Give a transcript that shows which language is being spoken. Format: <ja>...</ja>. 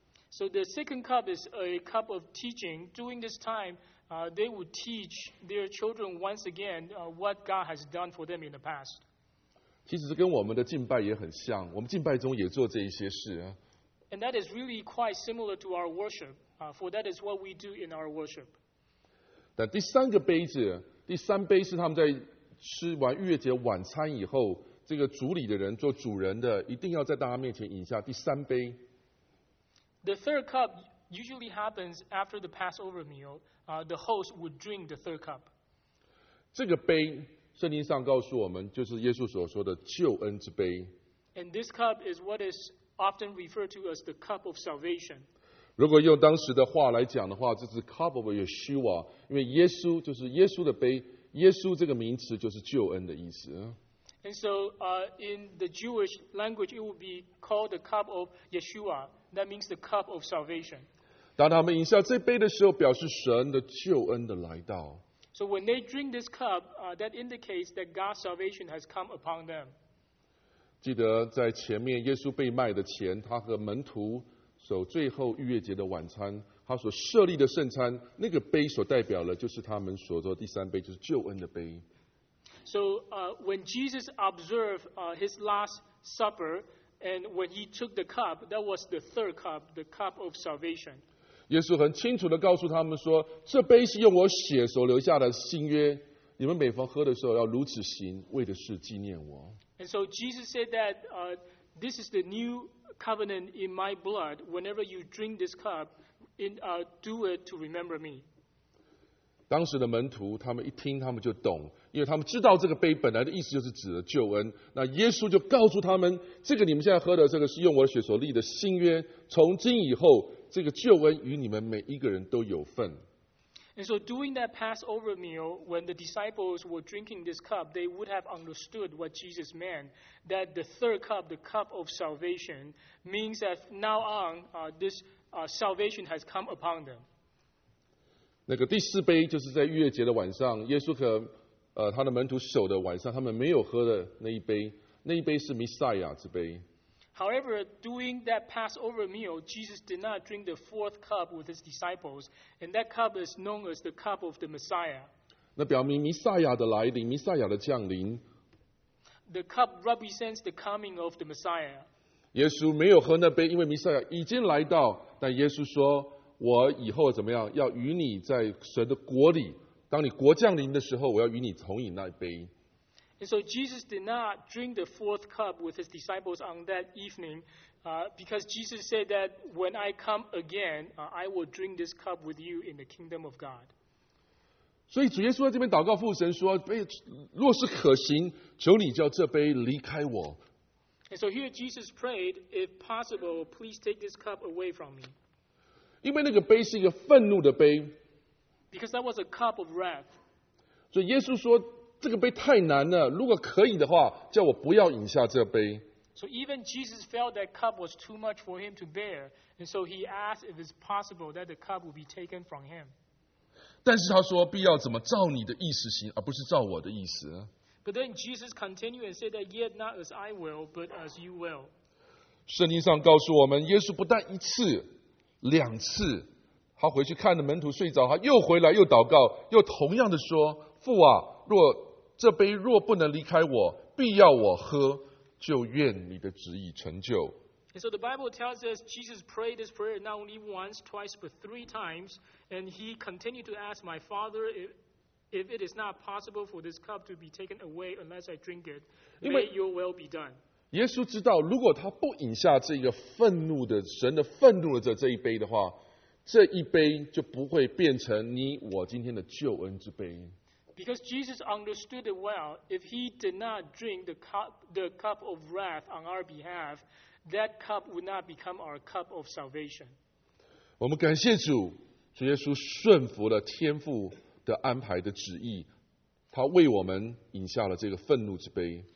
<en>So the second cup is a cup of teaching. During this time, they would teach their children once again what God has done for them in the past.</en> <zh>其实跟我们的敬拜也很像，我们敬拜中也做这一些事。</zh> <en>And that is really quite similar to our worship, for that is what we do in our worship.</en> <zh>但第三杯是他们在吃完逾越节晚餐以后，这个主礼的人做主人的，一定要在大家面前饮下第三杯。</zh> <en>The third cup usually happens after the Passover meal. The host would drink the third cup.</en> <zh>这个杯，圣经上告诉我们，就是耶稣所说的救恩之杯。</zh> <en>And this cup is what is often referred to as the cup of salvation.</en> <zh>如果用当时的话来讲的话，这是</zh> <en>cup of Yeshua，</en> <zh>因为耶稣就是耶稣的杯。耶稣这个名词就是救恩的意思。</zh> <en>And so, in the Jewish language, it would be called the cup of Yeshua. That means the cup of salvation.</en> <zh>当他们饮下这杯的时候，表示神的救恩的来到。</zh> <en>So when they drink this cup, that indicates that God's salvation has come upon them.</en> <zh>记得在前面耶稣被卖的前，他和门徒所最后逾越节的晚餐，他所设立的圣餐，那个杯所代表的就是他们所做的第三杯，就是救恩的杯。</zh> <en>So, when Jesus observed his Last Supper, and when he took the cup, that was the third cup, the cup of salvation.</en> <zh>耶稣很清楚地告诉他们说，这杯是用我血所留下的新约，你们每逢喝的时候要如此行，为的是纪念我。</zh> <en>And so Jesus said that this is the new covenant in my blood. Whenever you drink this cup, do it to remember me.</en> <zh>当时的门徒他们一听他们就懂，因为他们知道这个杯本来的意思就是指的救恩。那耶稣就告诉他们，这个你们现在喝的这个是用我的血所立的新约，从今以后这个救恩与你们每一个人都有份。</zh> <en>And so during that Passover meal, when the disciples were drinking this cup, they would have understood what Jesus meant, that the third cup, the cup of salvation, means that now on, this salvation has come upon them.</en> <zh>那个第四杯就是在逾越节的晚上，耶稣和他的门徒守的晚上，他们没有喝的那一杯，那一杯是弥赛亚之杯。</zh> <en>However, during that Passover meal, Jesus did not drink the fourth cup with his disciples, and that cup is known as the cup of the Messiah.</en> <zh>那表明弥赛亚的来临，弥赛亚的降临。</zh> <en>The cup represents the coming of the Messiah.</en> <zh>耶稣没有喝那杯，因为弥赛亚已经来到。但耶稣说，我以后怎么样，要与你在神的国里，当你国降临的时候，我要与你同饮那杯。</zh> <en>And so Jesus did not drink the fourth cup with his disciples on that evening, because Jesus said that when I come again, I will drink this cup with you in the kingdom of God.</en> <zh>所以主耶稣在这边祷告父神说，若是可行，求你叫这杯离开我。</zh> <en>And so here Jesus prayed, if possible, please take this cup away from me.</en> <zh>因为那个杯是一个愤怒的杯。</zh> <en>Because that was a cup of wrath.</en> <zh>所以耶稣说，这个杯太难了，如果可以的话，叫我不要饮下这杯。</zh> <en>So even Jesus felt that cup was too much for him to bear, and so he asked if it's possible that the cup would be taken from him.</en> <zh>但是他说，必要怎么照你的意思行，而不是照我的意思。</zh> <en>But then Jesus continued and said that yet not as I will, but as you will.</en> <zh>圣经上告诉我们，耶稣不但一次，两次，他回去看着门徒睡着，他又回来又祷告，又同样的说，父啊，若这杯若不能离开我，必要我喝，就愿你的旨意成就。</zh> <en>And so the Bible tells us Jesus prayed this prayer not only once, twice, but three times, and he continued to ask my Father if it is not possible for this cup to be taken away unless I drink it. May your will be done.</en> <zh>耶稣知道，如果他不饮下这个愤怒的神的愤怒的这一杯的话，这一杯就不会变成你我今天的救恩之杯。</zh> <en>Because Jesus understood it well, if he did not drink the cup of wrath on our behalf, that cup would not become our cup of salvation.</en> <zh>我们感谢主，主耶稣顺服了天父的安排的旨意，他为我们饮下了这个愤怒之杯。</zh>